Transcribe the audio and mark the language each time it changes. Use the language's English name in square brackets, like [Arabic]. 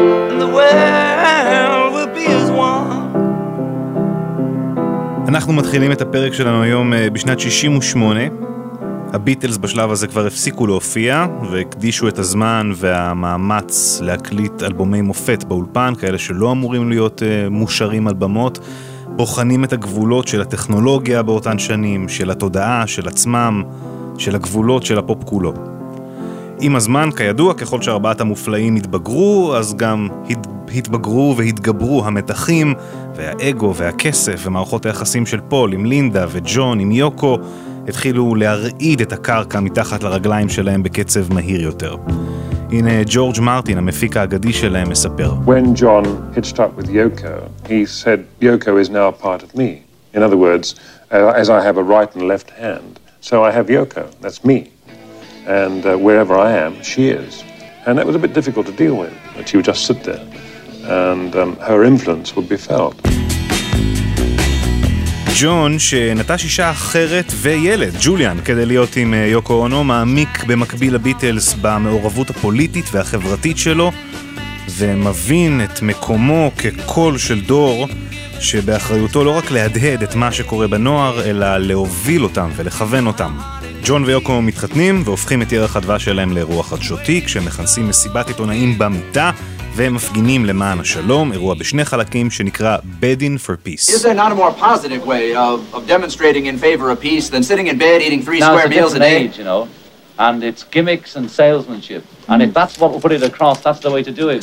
[English] And the world will be as one. [Hebrew] אנחנו מתחילים את הפרק שלנו היום בשנת 68. הביטלס בשלב הזה כבר הפסיקו להופיע, והקדישו את הזמן והמאמץ להקליט אלבומי מופת באולפן, כאלה שלא אמורים להיות מושרים על במות. בוחנים את הגבולות של הטכנולוגיה באותן שנים, של התודעה, של עצמם, של הגבולות של הפופ כולו. עם הזמן, כידוע, ככל שארבעת המופלאים התבגרו, אז גם התבגרו והתגברו המתחים, והאגו והכסף ומערכות היחסים של פול עם לינדה וג'ון עם יוקו, התחילו להרעיד את הקרקע מתחת לרגליים שלהם בקצב מהיר יותר. הנה ג'ורג' מרטין, המפיק האגדי שלהם, מספר. [English] When John hitched up with Yoko, he said, Yoko is now part of me. In other words, as I have a right and left hand, So I have Yoko, that's me. And wherever I am, she is. And that was a bit difficult to deal with, that she would just sit there. And her influence would be felt. [Hebrew] ג'ון, שנטש אישה אחרת וילד, ג'וליאן, כדי להיות עם יוקו אונו, מעמיק במקביל לביטלס במעורבות הפוליטית והחברתית שלו, ומבין את מקומו כקול של דור, שבאחריותו לא רק להדהד את מה שקורה בנוער, אלא להוביל אותם ולכוון אותם. ג'ון ויוקו מתחתנים והופכים את ירח הדבש שלהם לאירוע חדשותי, כשמכנסים מסיבת עיתונאים במיטה, והם מפגינים למען השלום, אירוע בשני חלקים שנקרא Bedding for Peace. [English] Is there not a more positive way of demonstrating in favor of peace than sitting in bed eating three square meals a day? You know? And it's gimmicks and salesmanship. And if that's what we put it across, that's the way to do it.